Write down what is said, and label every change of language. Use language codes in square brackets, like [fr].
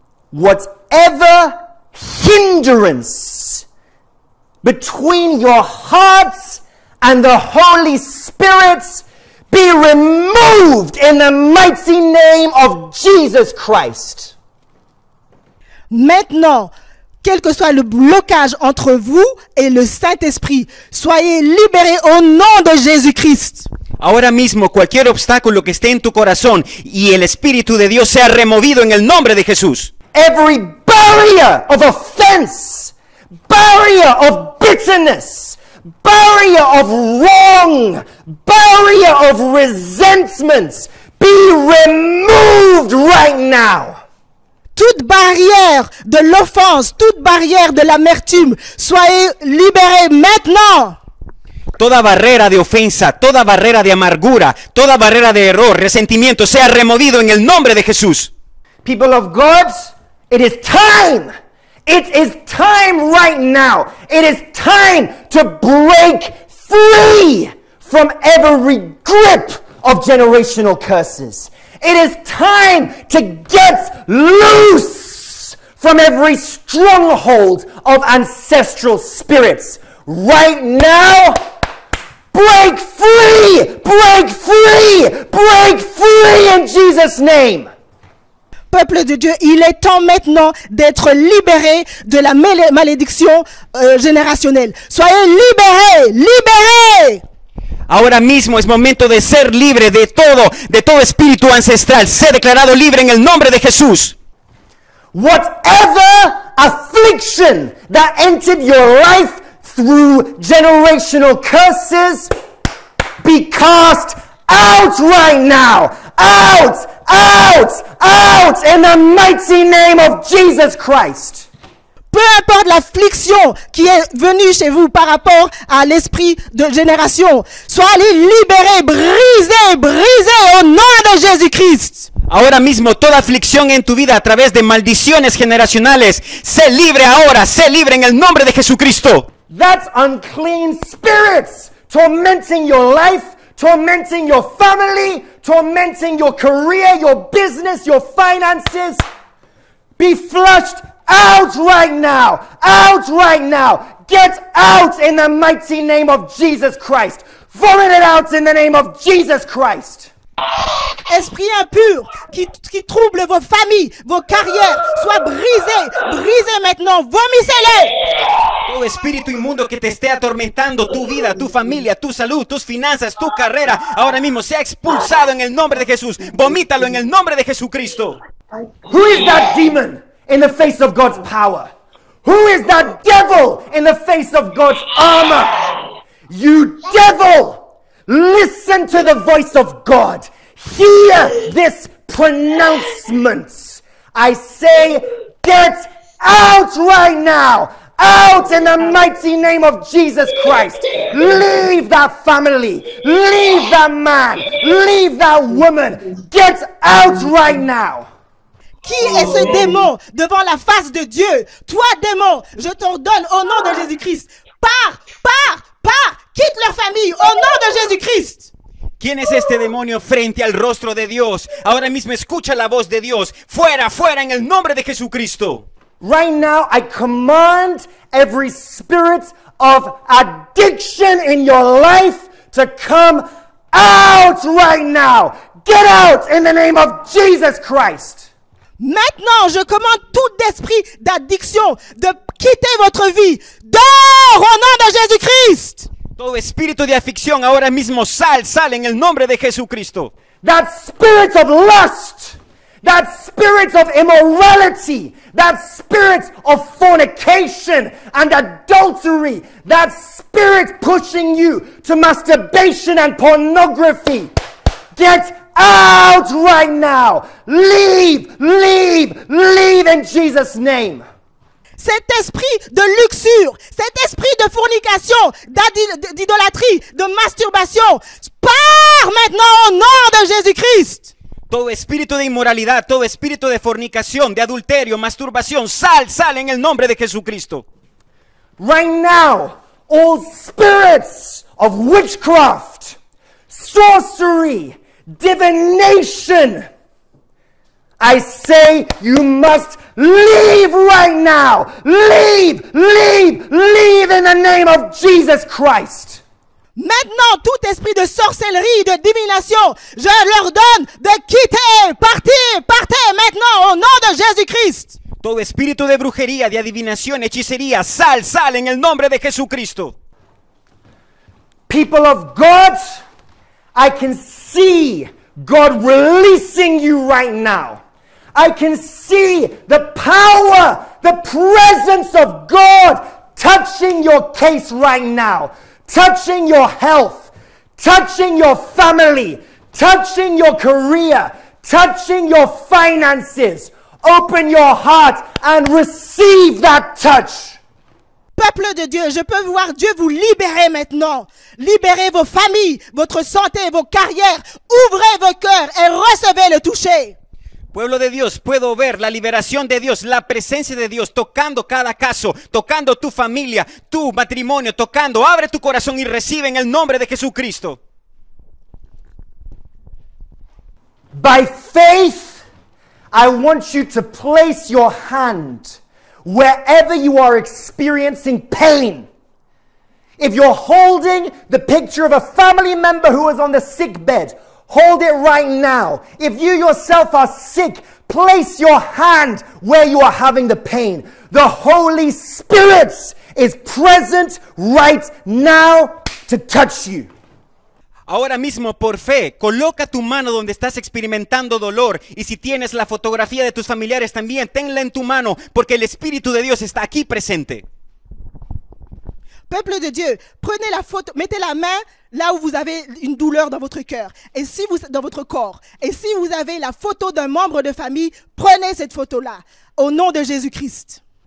[en] Whatever hindrance between your hearts and the Holy Spirit, be removed in the mighty name of Jesus Christ. [fr] Maintenant, quel que soit le blocage entre vous et le Saint-Esprit, soyez libérés au nom de Jésus-Christ. [es] Ahora mismo, cualquier obstáculo que esté en tu corazón y el Espíritu de Dios sea removido en el nombre de Jesús. [en] Every barrier of offense, barrier of bitterness, barrier of wrong, barrier of resentments, be removed right now. [fr] Toute barrière de l'offense, toute barrière de l'amertume, soyez libérés maintenant. [es] Toda barrera de ofensa, toda barrera de amargura, toda barrera de error, resentimiento, sea removido en el nombre de Jesús. [en] People of God, it is time. It is time right now. It is time to break free from every grip of generational curses. It is time to get loose from every stronghold of ancestral spirits. Right now, break free! Break free! Break free in Jesus' name! [fr] Peuple de Dieu, il est temps maintenant d'être libéré de la malédiction générationnelle. Soyez libérés! Libérés! [es] Ahora mismo es momento de ser libre de todo espíritu ancestral. Sé declarado libre en el nombre de Jesús. [en] Whatever affliction that entered your life through generational curses, be cast out right now. Out, out, out in the mighty name of Jesus Christ. [fr] Peu importe l'affliction qui est venue chez vous par rapport à l'esprit de génération, soyez libérés, brisés, brisés au nom de Jésus-Christ. [es] Ahora mismo, toda aflicción en tu vida a través de maldiciones generacionales, sé libre ahora, sé libre en el nombre de Jesucristo. [en] That's unclean spirits tormenting your life, tormenting your family, tormenting your career, your business, your finances. Be flushed. Out right now! Out right now! Get out in the mighty name of Jesus Christ! Vomit it out in the name of Jesus Christ! [fr] Esprit impur qui trouble vos familles, vos carrières, soit brisé, brisé maintenant, vomissez-le! [es] Todo espíritu inmundo que te esté atormentando tu vida, tu familia, tu salud, tus finanzas, tu carrera, ahora mismo sea expulsado en el nombre de Jesús. Vomítalo en el nombre de Jesucristo. [en] Who is that demon? In the face of God's power. Who is that devil in the face of God's armor? You devil, listen to the voice of God. Hear this pronouncement. I say, get out right now. Out in the mighty name of Jesus Christ. Leave that family. Leave that man. Leave that woman. Get out right now. [fr] Qui est ce démon devant la face de Dieu? Toi, démon, je t'ordonne au nom de Jésus-Christ. Pars, pars, pars, quitte leur famille au nom de Jésus-Christ. [es] ¿Quién es este demonio frente al rostro de Dios? Ahora mismo escucha la voz de Dios. Fuera, fuera, en el nombre de Jesucristo. [en] Right now, I command every spirit of addiction in your life to come out right now. Get out in the name of Jesus Christ. [fr] Maintenant, je commande tout esprit d'addiction de quitter votre vie. Dors au nom de Jésus-Christ. [es] Todo espíritu de aflicción ahora mismo sal, sal en el nombre de Jesucristo. [en] That spirit of lust, that spirit of immorality, that spirit of fornication and adultery, that spirit pushing you to masturbation and pornography. Get out right now! Leave, leave, leave in Jesus' name. [fr] Cet esprit de luxure, cet esprit de fornication, d'idolâtrie, de masturbation, pars maintenant au nom de Jésus-Christ. [es] Todo espíritu de inmoralidad, todo espíritu de fornicación, de adulterio, masturbación, sal, sal en el nombre de Jesucristo. [en] Right now, all spirits of witchcraft, sorcery, divination, I say you must leave right now. Leave, leave, leave in the name of Jesus Christ. [fr] Maintenant, tout esprit de sorcellerie, de divination, je leur donne de quitter, partir, partir maintenant au nom de Jésus Christ. [es] Todo espíritu de brujería, de adivinación, hechicería, sal, sal en el nombre de Jesucristo. [en] People of God, I can see God releasing you right now. I can see the power, the presence of God touching your case right now, touching your health, touching your family, touching your career, touching your finances. Open your heart and receive that touch. [fr] Peuple de Dieu, je peux voir Dieu vous libérer maintenant. Libérez vos familles, votre santé, vos carrières. Ouvrez vos cœurs et recevez le toucher. [es] Pueblo de Dios, puedo ver la liberación de Dios, la presencia de Dios tocando cada caso, tocando tu familia, tu matrimonio, tocando. Abre tu corazón y recibe en el nombre de Jesucristo. [en] By faith, I want you to place your hand wherever you are experiencing pain. If you're holding the picture of a family member who is on the sick bed, hold it right now. If you yourself are sick, place your hand where you are having the pain. The Holy Spirit is present right now to touch you. [es] Ahora mismo, por fe, coloca tu mano donde estás experimentando dolor. Y si tienes la fotografía de tus familiares también, tenla en tu mano, porque el Espíritu de Dios está aquí presente. [fr] Peuple de Dieu, prenez la photo, mettez la main là où vous avez une douleur dans votre cœur et si vous dans votre corps et si vous avez la photo d'un membre de famille, prenez cette photo là au nom de Jésus-Christ.